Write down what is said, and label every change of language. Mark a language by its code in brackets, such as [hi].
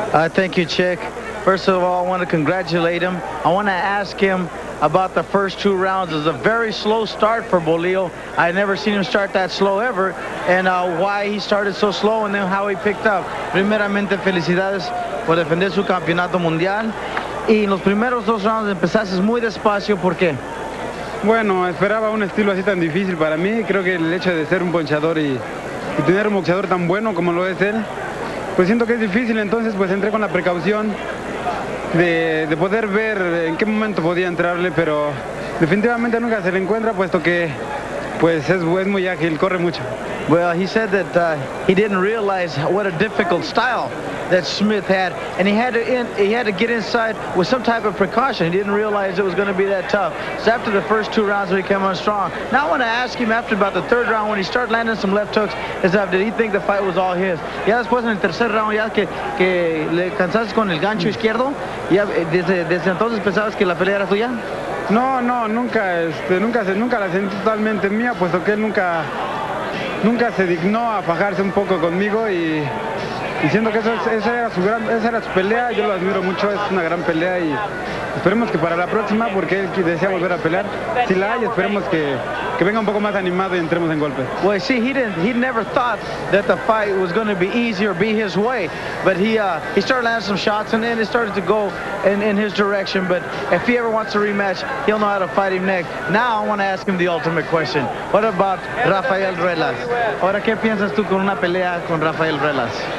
[en] Thank you, Chick. First of all, I want to congratulate him. I want to ask him about the first two rounds. It's a very slow start for Bolillo. I never seen him start that slow ever, and why he started so slow and then how he picked up. [es] Primeramente, felicidades por defender su campeonato mundial. Y en los primeros dos rounds empezaste muy despacio. ¿Por qué? Bueno, esperaba un estilo así tan difícil para mí. Creo que el hecho de ser un ponchador y tener un boxeador tan bueno como lo es él, pues siento que es difícil. Entonces, pues entré con la precaución de poder ver en qué momento podía entrarle, pero definitivamente nunca se le encuentra, puesto que pues es muy ágil, corre mucho. [en] Well, he said that he didn't realize what a difficult style that Smith had, and he had to get inside with some type of precaution. He didn't realize it was going to be that tough. So after the first two rounds, he came on strong. Now I want to ask him after about the third round, when he started landing some left hooks, is that did he think the fight was all his? [es] Ya después en el tercer round, ya que le cansaste con el gancho izquierdo, ya desde entonces pensabas que la pelea era tuya? No, nunca la sentí totalmente mía, puesto que él nunca se dignó a fajarse un poco conmigo y diciendo que esa era su pelea. Yo lo admiro mucho, es una gran pelea y esperemos que para la próxima, porque él desea volver a pelear, si la hay, esperemos que venga un poco más animado y entremos en golpe. [en] Well, see, he never thought that the fight was going to be easy or be his way, but he started landing some shots and then it started to go in his direction. But if he ever wants to rematch, he'll know how to fight him next. Now I want to ask him the ultimate question. What about Rafael Reyes? [es] Ahora, ¿qué piensas tú con una pelea con Rafael Reyes?